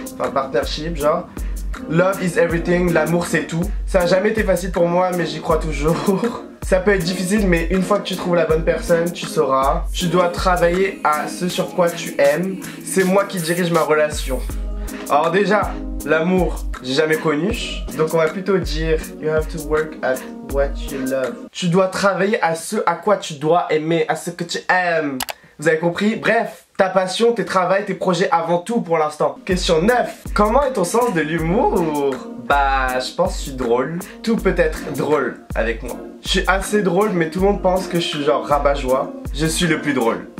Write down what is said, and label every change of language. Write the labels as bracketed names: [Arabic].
[French] Enfin, partnership, genre. [English] Love is everything. [French] L'amour, c'est tout. Ça n'a jamais été facile pour moi, mais j'y crois toujours. Ça peut être difficile, mais une fois que tu trouves la bonne personne, tu sauras. Tu dois travailler à ce sur quoi tu aimes. C'est moi qui dirige ma relation. Alors déjà, l'amour, j'ai jamais connu. Donc on va plutôt dire, [English] you have to work at what you love. [French] Tu dois travailler à ce à quoi tu dois aimer, à ce que tu aimes. Vous avez compris? Bref, ta passion, tes travails, tes projets avant tout pour l'instant. Question 9. Comment est ton sens de l'humour? Bah, je pense que je suis drôle. Tout peut être drôle avec moi. Je suis assez drôle, mais tout le monde pense que je suis genre rabat-joie. Je suis le plus drôle.